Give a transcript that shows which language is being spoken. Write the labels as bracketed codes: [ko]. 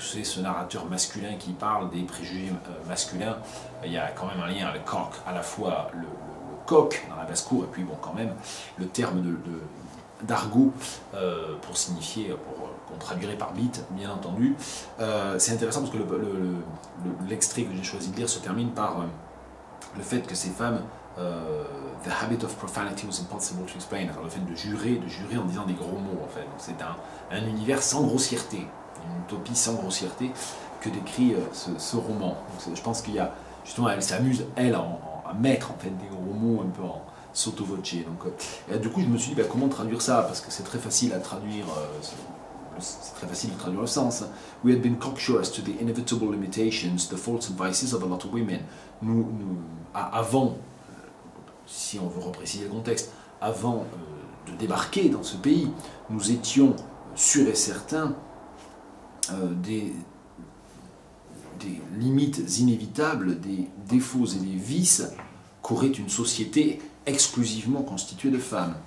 [fr] que c'est ce narrateur masculin qui parle des préjugés masculins, il y a quand même un lien avec Cork, à la fois le coq dans la basse-cour, et puis bon, quand même, le terme d'argot pour signifier, qu'on traduirait par bit, bien entendu. C'est intéressant parce que l'extrait que j'ai choisi de lire se termine par le fait que ces femmes. [en] The habit of profanity was impossible to explain. [fr] Alors, le fait de jurer en disant des gros mots, en fait. Donc, c'est un univers sans grossièreté, une utopie sans grossièreté que décrit ce roman. Donc, je pense qu'il y a justement, elle s'amuse, elle, à mettre en fait des gros mots un peu en sotto voce. Donc, du coup, je me suis dit, comment traduire ça? Parce que c'est très facile à traduire. C'est très facile de traduire le sens. [en] We had been cocksure as to the inevitable limitations, the faults and vices of a lot of women. [fr] Avant, si on veut repréciser le contexte, avant de débarquer dans ce pays, nous étions sûrs et certains des limites inévitables, des défauts et des vices qu'aurait une société exclusivement constituée de femmes.